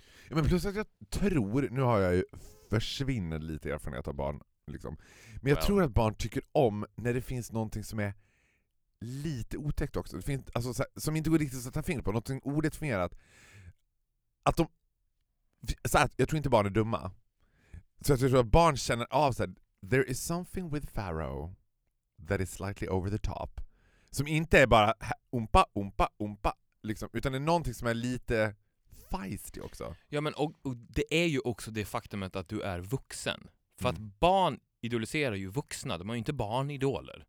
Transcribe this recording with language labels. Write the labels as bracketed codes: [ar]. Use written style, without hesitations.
[sv] Ja, men plus att jag tror, nu har jag ju försvinner lite erfarenhet av barn. Liksom. Men jag tror att barn tycker om när det finns någonting som är lite otäckt också. Det finns, alltså, så här, som inte går riktigt att sätta fingret på. Någonting odefinierat. Att de, så här, jag tror inte barn är dumma. Så jag tror att barn känner av sig. [en] There is something with Pharaoh that is slightly over the top. [sv] Som inte är bara umpa, umpa, umpa. Liksom, utan det är någonting som är lite feisty också. Ja, men och det är ju också det faktumet att du är vuxen. För att barn idoliserar ju vuxna. De har ju inte barnidoler.